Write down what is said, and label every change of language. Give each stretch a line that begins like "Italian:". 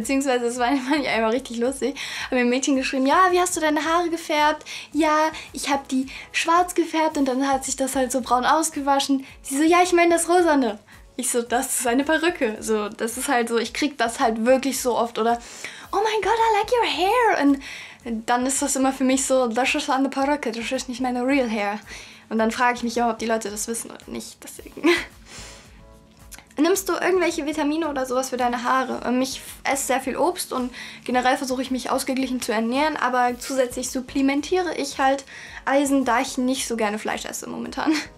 German: Beziehungsweise, das war nicht einmal richtig lustig. Hab mir ein Mädchen geschrieben, ja, wie hast du deine Haare gefärbt? Ja, ich habe die schwarz gefärbt und dann hat sich das halt so braun ausgewaschen. Sie so, ja, ich meine das Rosane. Ich so, das ist eine Perücke. So, das ist halt so, ich krieg das halt wirklich so oft. Oder, oh mein Gott,
English: I like your hair.
German: Und dann ist das immer für mich so, das ist eine Perücke, das ist nicht meine
English: real hair.
German: Und dann frage ich mich auch, ob die Leute das wissen oder nicht. Deswegen. Nimmst du irgendwelche Vitamine oder sowas für deine Haare? Ich esse sehr viel Obst und generell versuche ich mich ausgeglichen zu ernähren, aber zusätzlich supplementiere ich halt Eisen, da ich nicht so gerne Fleisch esse momentan.